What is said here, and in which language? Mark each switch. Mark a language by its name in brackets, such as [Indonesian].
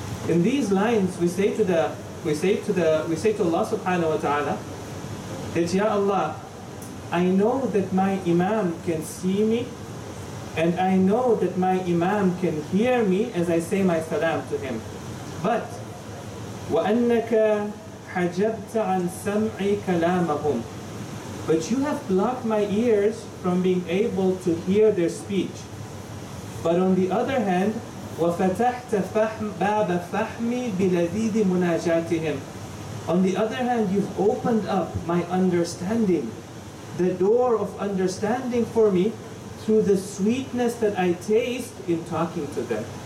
[English] In these lines, we say to Allah subhanahu wa ta'ala that, Ya Allah, I know that my Imam can see me, and I know that my Imam can hear me as I say my salam to him. But [Arabic] وَأَنَّكَ حَجَبْتَ عَنْ سَمْعِي كَلَامَهُمْ. [English] But you have blocked my ears from being able to hear their speech. But on the other hand, [Arabic] وَفَتَحْتَ بَابَ فَحْمِي بِلَذِيذِ مُنَاجَاتِهِمْ. [English] On the other hand, you've opened up my understanding, the door of understanding for me, through the sweetness that I taste in talking to them.